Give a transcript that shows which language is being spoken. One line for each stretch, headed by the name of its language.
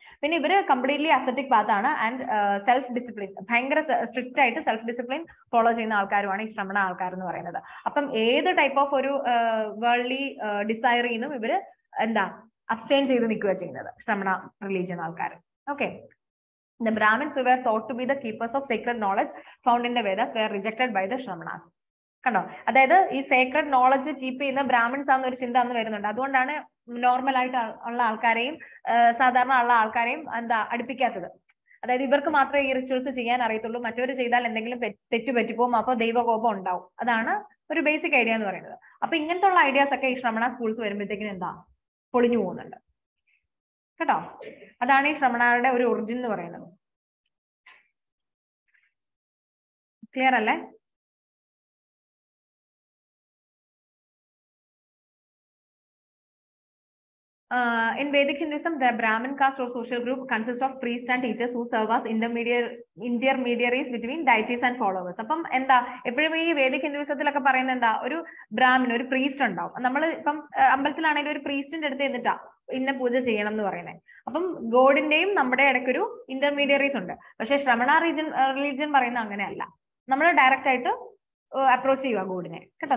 Malayalam: പിന്നെ ഇവര് completely acetic path ആണ് ആൻഡ് സെൽഫ് ഡിസിപ്ലിൻ ഭയങ്കര സ്ട്രിക്റ്റ് ആയിട്ട് സെൽഫ് ഡിസിപ്ലിൻ ഫോളോ ചെയ്യുന്ന ആൾക്കാരുമാണ് ഈ ശ്രമണ ആൾക്കാർ എന്ന് പറയുന്നത്. അപ്പം ഏത് ടൈപ്പ് ഓഫ് ഒരു വേൾഡ്ലി ഡിസൈർ ചെയ്യുന്നു ഇവര് എന്താ അബ്സ്റ്റെയിൻ ചെയ്ത് നിൽക്കുക ചെയ്യുന്നത് ശ്രമണ റിലീജിയൻ ആൾക്കാർ. Okay.
English: The Brahmins were thought to be the keepers of sacred knowledge found in the Vedas were rejected by the Shramanas.
Malayalam: കണ്ടോ, അതായത് ഈ സേക്രഡ് നോളജ് കീപ്പ് ചെയ്യുന്ന ബ്രാഹ്മിൻസ് ആണെന്ന് ഒരു ചിന്ത അന്ന് വരുന്നുണ്ട്. അതുകൊണ്ടാണ് നോർമൽ ആയിട്ട് ഉള്ള ആൾക്കാരെയും സാധാരണ ഉള്ള ആൾക്കാരെയും എന്താ അടുപ്പിക്കാത്തത്. അതായത് ഇവർക്ക് മാത്രമേ ഈ റിച്വൽസ് ചെയ്യാൻ അറിയത്തുള്ളൂ, മറ്റവർ ചെയ്താൽ എന്തെങ്കിലും തെറ്റ് പറ്റിപ്പോകും, അപ്പോൾ ദൈവകോപം ഉണ്ടാവും. അതാണ് ഒരു ബേസിക് ഐഡിയ എന്ന് പറയുന്നത്. അപ്പൊ ഇങ്ങനത്തെ ഉള്ള ഐഡിയാസ് ഒക്കെ ഈ ശ്രമണ സ്കൂൾസ് വരുമ്പോഴത്തേക്കും എന്താ പൊളിഞ്ഞു പോകുന്നുണ്ട് കേട്ടോ. അതാണ് ഈ ശ്രമണയുടെ ഒരു ഒറിജിൻ എന്ന് പറയുന്നത്. ക്ലിയർ അല്ലേ?
English: In Vedic Hinduism, the Brahmin caste or social group consists of priests and teachers who serve as intermediaries between deities and followers.
Malayalam: അപ്പം എന്താ എപ്പോഴും ഈ വേദിക് ഹിന്ദുവിസത്തിലൊക്കെ പറയുന്നത് എന്താ, ഒരു ബ്രാഹ്മിൻ ഒരു പ്രീസ്റ്റ് ഉണ്ടാവും. നമ്മൾ ഇപ്പം അമ്പലത്തിലാണെങ്കിൽ ഒരു പ്രീസ്റ്റിന്റെ അടുത്ത് എന്നിട്ടാ ഇന്ന പൂജ ചെയ്യണം എന്ന് പറയുന്നത്. അപ്പം ഗോഡിന്റെയും നമ്മുടെ ഇടയ്ക്ക് ഒരു ഇന്റർമീഡിയറീസ് ഉണ്ട്. പക്ഷെ ശ്രമണ റിലീജിയൻ പറയുന്ന അങ്ങനെയല്ല, നമ്മൾ ഡയറക്റ്റ് ആയിട്ട് അപ്രോച്ച് ചെയ്യുക ഗോഡിനെ, കേട്ടോ.